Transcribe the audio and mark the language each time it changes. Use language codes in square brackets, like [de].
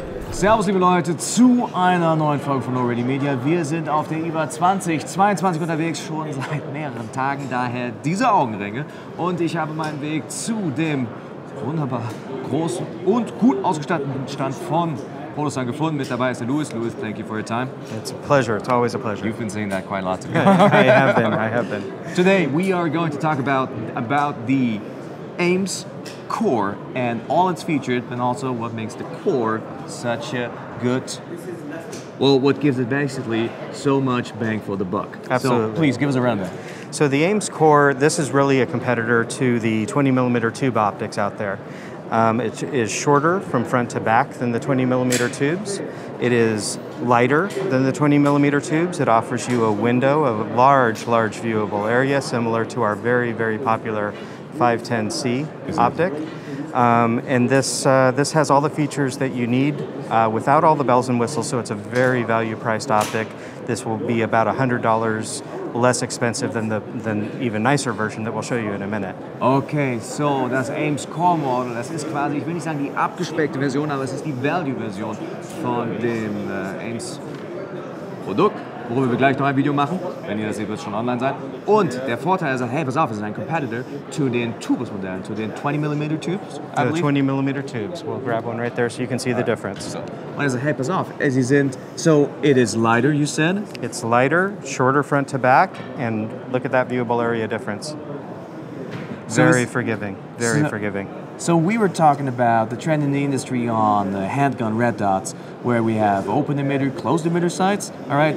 [de] Servus, liebe Leute, zu einer neuen Folge von LowReadyMedia. Wir sind auf der IWA 2022 unterwegs, schon seit mehreren Tagen. Daher diese Augenringe. Und ich habe meinen Weg zu dem wunderbar großen und gut ausgestatteten Stand von Holosun gefunden. Mit dabei ist der Louis. [en] Louis, thank you for your time. It's a pleasure. It's always a pleasure. You've been saying that quite a lot to me. I have been. Today, we are going to talk about the AEMS Core and all its features, and also what makes the Core such a good, well, what gives it basically so much bang for the buck. Absolutely. So please give us a rundown. So the AEMS Core, this is really a competitor to the 20 millimeter tube optics out there. It is shorter from front to back than the 20 millimeter tubes. It is lighter than the 20 millimeter tubes. It offers you a window of a large, large viewable area, similar to our very, very popular 510C optic. And this has all the features that you need without all the bells and whistles, so it's a very value priced optic. This will be about $100 less expensive than the even nicer version that we'll show you in a minute. [de] Okay, so das AEMS Core Model, das ist quasi, ich will nicht sagen die abgespeckte Version, aber es ist die Value Version von dem AEMS Produkt, worüber wir gleich noch ein Video machen. Wenn ihr das seht, wird es schon online sein. Und der Vorteil ist, hey, pass auf, es ist ein Competitor zu den Tubus-Modellen, zu den 20mm Tubes. [en] The 20mm Tubes. We'll grab one right there so you can see the difference. [de] Und er sagt, hey, pass auf, sie sind, [en] so it is lighter, you said? It's lighter, shorter front to back, and look at that viewable area difference. Very forgiving, very forgiving. So we were talking about the trend in the industry on the handgun red dots, where we have open emitter, closed emitter sights, all right?